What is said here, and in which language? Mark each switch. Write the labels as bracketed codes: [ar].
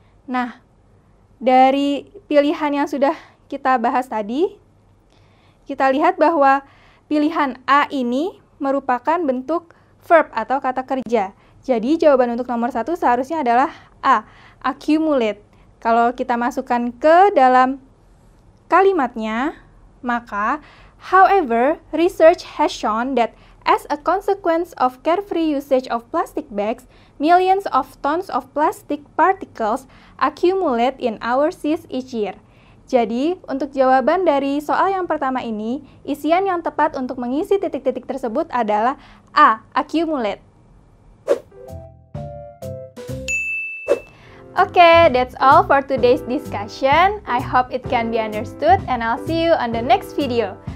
[id] Nah, dari pilihan yang sudah kita bahas tadi, kita lihat bahwa pilihan A ini merupakan bentuk verb atau kata kerja. Jadi, jawaban untuk nomor 1 seharusnya adalah A, accumulate. Kalau kita masukkan ke dalam kalimatnya, maka [en] however, research has shown that as a consequence of carefree usage of plastic bags, millions of tons of plastic particles accumulate in our seas each year. [id] Jadi, untuk jawaban dari soal yang pertama ini, isian yang tepat untuk mengisi titik-titik tersebut adalah A, accumulate. [en] Okay, that's all for today's discussion. I hope it can be understood and I'll see you on the next video.